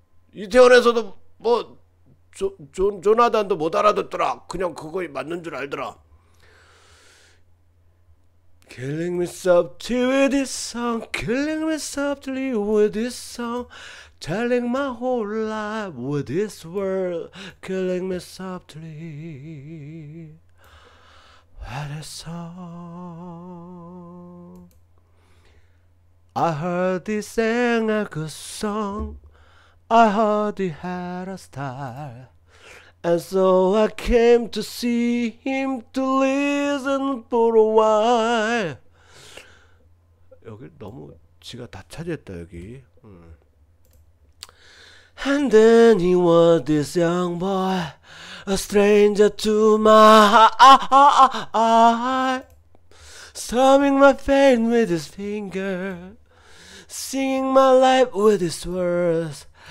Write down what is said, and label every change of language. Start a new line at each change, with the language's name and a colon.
Korean: 이태원에서도 뭐 조나단도 못 알아듣더라. 그냥 그거 맞는 줄 알더라.
English: Killing me softly with this song, killing me softly with this song, telling my whole life with this world, killing me softly with this song. I heard this sang a good song. I heard he had a style, and so I came to see him to listen for a while.
Korean: 여기 너무 지가 다 차지했다 여기.
English: And then he was this young boy, a stranger to my eye, strumming my pain with his finger, singing my life with his words.